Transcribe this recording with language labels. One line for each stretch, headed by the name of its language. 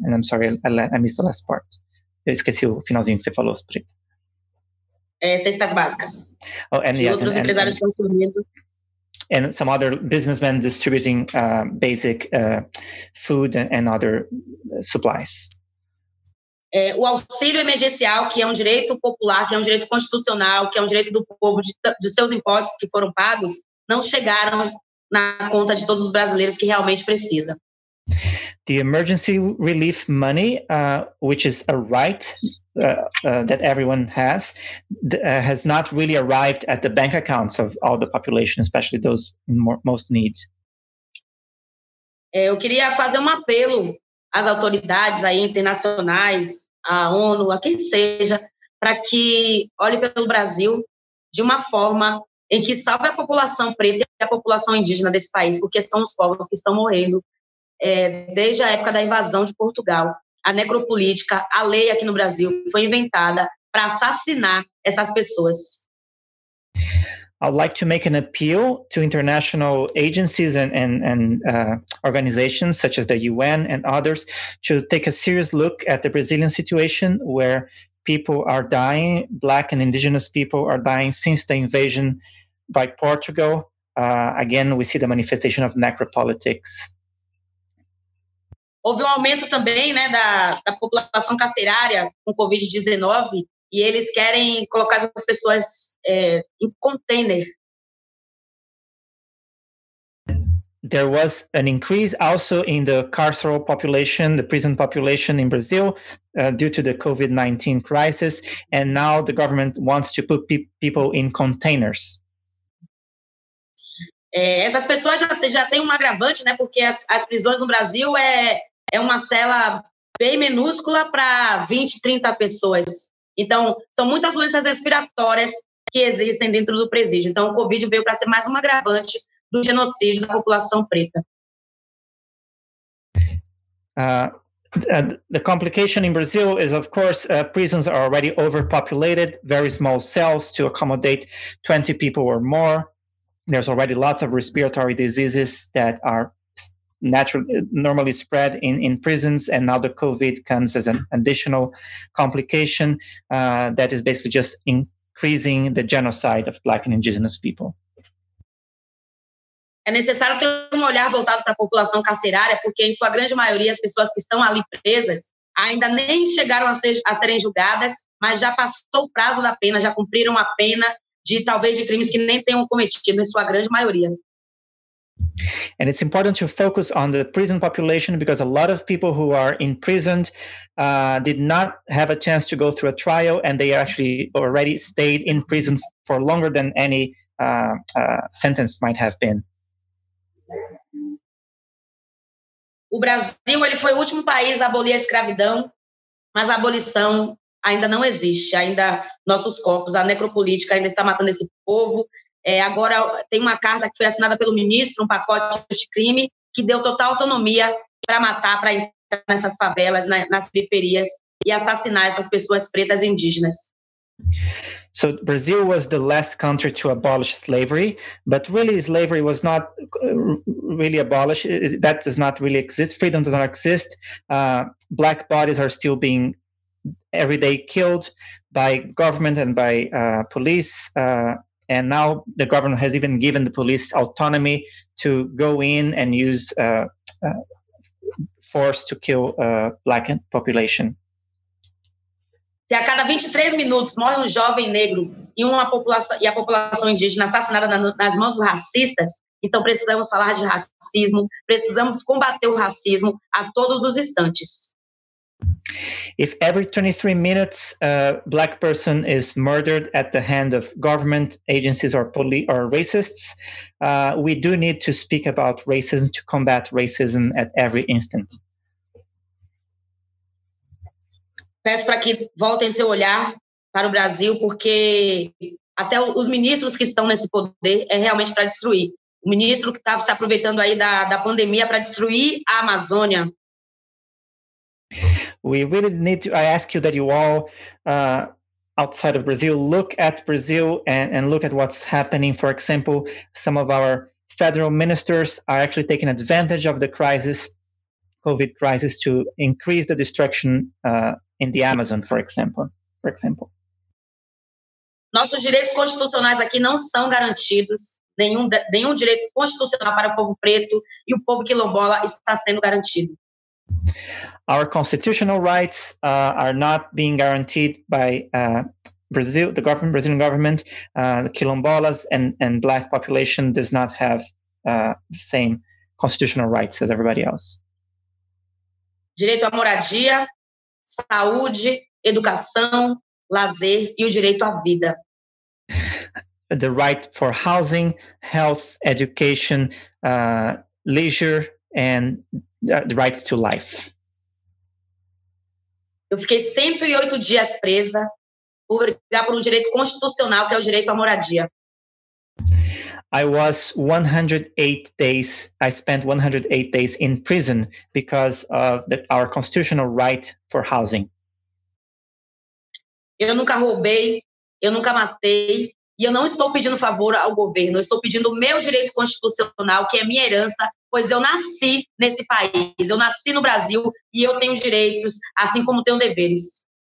English: And I'm sorry, I missed the last part.
Portuguese: Eu esqueci o finalzinho que você falou, Sprit. Cestas básicas.
English: Oh, and
Portuguese: outros empresários estão subindo.
English: And some other businessmen distributing basic food and other supplies.
Portuguese: O auxílio emergencial, que é um direito popular, que é um direito constitucional, que é um direito do povo, de seus impostos que foram pagos, não chegaram na conta de todos os brasileiros que realmente precisam.
English: The emergency relief money, which is a right that everyone has, has not really arrived at the bank accounts of all the population, especially those in most need.
Portuguese: Eu queria fazer um apelo às autoridades aí internacionais, à ONU, a quem seja, para que olhe pelo Brasil de uma forma em que salve a população preta e a população indígena desse país, porque são os povos que estão morrendo desde a época da invasão de Portugal. A necropolítica, a lei aqui no Brasil, foi inventada para assassinar essas pessoas.
English: I'd like to make an appeal to international agencies and organizations such as the UN and others to take a serious look at the Brazilian situation where people are dying, Black and Indigenous people are dying since the invasion by Portugal. Again, we see the manifestation of necropolitics.
Portuguese: Houve aumento também, né, da população carcerária com COVID-19. E eles querem colocar as pessoas em container.
English: There was an increase also in the carceral population, the prison population in Brazil, due to the COVID-19 crisis. And now the government wants to put people in containers.
Portuguese: Essas pessoas já têm um agravante, né? Porque as prisões no Brasil é uma cela bem minúscula para 20, 30 pessoas. Então, são muitas doenças respiratórias que existem dentro do presídio. Então, o COVID veio para ser mais um agravante do genocídio da população preta.
English: The complication in Brazil is, of course, prisons are already overpopulated, very small cells to accommodate 20 people or more. There's already lots of respiratory diseases that are normally spread in prisons, and now the COVID comes as an additional complication that is basically just increasing the genocide of Black and Indigenous people.
Portuguese: É necessário ter um olhar voltado para a população carcerária, porque em sua grande maioria as pessoas que estão ali presas ainda nem chegaram a serem julgadas, mas já passou o prazo da pena, já cumpriram a pena de talvez de crimes que nem tenham cometido em sua grande maioria.
English: And it's important to focus on the prison population because a lot of people who are imprisoned did not have a chance to go through a trial, and they actually already stayed in prison for longer than any sentence might have been.
Portuguese: O Brasil, ele foi o último país a abolir a escravidão, mas a abolição ainda não existe. Ainda nossos corpos, a necropolítica ainda está matando esse povo. Agora, tem uma carta que foi assinada pelo ministro, um pacote de crime, que deu total autonomia para matar, para entrar nessas favelas, nas periferias, e assassinar essas pessoas pretas e indígenas.
English: So, Brazil was the last country to abolish slavery, but really, slavery was not really abolished. That does not really exist. Freedom does not exist. Black bodies are still being every day killed by government and by police. And now the government has even given the police autonomy to go in and use force to kill Black population.
Portuguese: Se a cada 23 minutos morre um jovem negro e a população indígena assassinada nas mãos dos racistas, então precisamos falar de racismo, precisamos combater o racismo a todos os instantes.
English: If every 23 minutes a black person is murdered at the hand of government agencies or racists, we do need to speak about racism to combat racism at every instant.
Portuguese: Peço para que voltem seu olhar para o Brasil, porque até os ministros que estão nesse poder é realmente para destruir. O ministro que estava se aproveitando aí da pandemia para destruir a Amazônia.
English: We really need to, I ask you that you all outside of Brazil, look at Brazil and look at what's happening. For example, some of our federal ministers are actually taking advantage of the crisis, COVID crisis, to increase the destruction in the Amazon, for example.
Portuguese: Nossos direitos constitucionais aqui não são garantidos. Nenhum direito constitucional para o povo preto e o povo quilombola está sendo garantido.
English: Our constitutional rights are not being guaranteed by Brazil, the government, Brazilian government. The quilombolas and black population does not have the same constitutional rights as everybody else.
Portuguese: Direito à moradia, saúde, educação, lazer e o direito à vida.
English: The right for housing, health, education, leisure, and the right to life.
Portuguese: Eu fiquei 108 dias presa por brigar por direito constitucional, que é o direito à moradia.
English: I was 108 days, I spent 108 days in prison because of our constitutional right for housing.
Portuguese: Eu nunca roubei, eu nunca matei, e eu não estou pedindo favor ao governo, eu estou pedindo o meu direito constitucional, que é minha herança, pois eu nasci nesse país, eu nasci no Brasil, e eu tenho direitos, assim como tenho deveres.